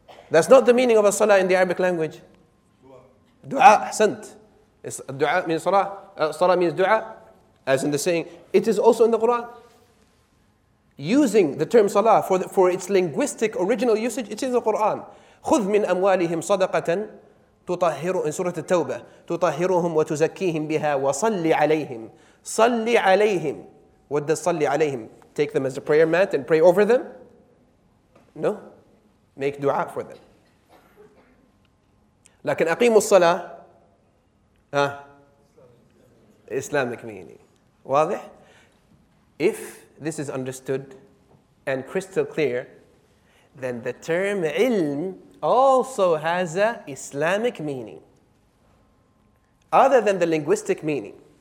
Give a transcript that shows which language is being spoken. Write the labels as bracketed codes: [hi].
[en] That's not the meaning of as-salah in the Arabic language. Dua, ahsant. Dua means salah. Salah means dua, as in the saying. It is also in the Quran. Using the term salah for its linguistic original usage, it is in the Quran. [ar] خذ من أموالهم صدقة تطهر [en] in Surah [ar] التوبة تطهرهم وتزكيهم بها وصلي عليهم صلي عليهم. [en] What does [ar] صلي عليهم? [en] Take them as a prayer mat and pray over them? No. Make dua for them. [ar] لكن أقيم الصلاة [en] Islamic meaning. [ar] واضح? [en] If this is understood and crystal clear, then the term ilm also has a Islamic meaning other than the linguistic meaning.